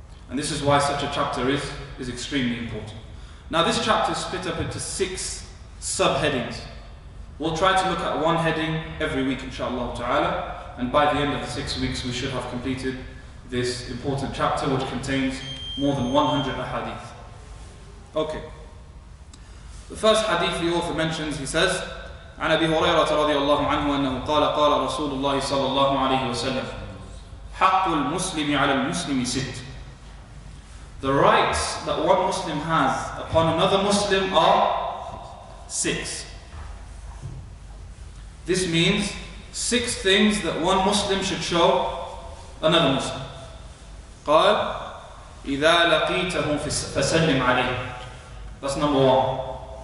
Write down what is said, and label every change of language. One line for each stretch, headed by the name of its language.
English: And this is why such a chapter is extremely important. Now this chapter is split up into six subheadings. We'll try to look at one heading every week, inshallah ta'ala. And by the end of the 6 weeks, we should have completed this important chapter, which contains more than 100 ahadith. Okay. The first hadith the author mentions, he says,
Arabic: عن أبي هريرة رضي الله عنه أنه قال قال رسول الله صلى الله عليه وسلم حق المسلم على المسلم ست.
English: The rights that one Muslim has upon another Muslim are six. This means six things that one Muslim should show another Muslim.
Arabic: قال إذا لقيته فسلم عليه.
English: That's number one.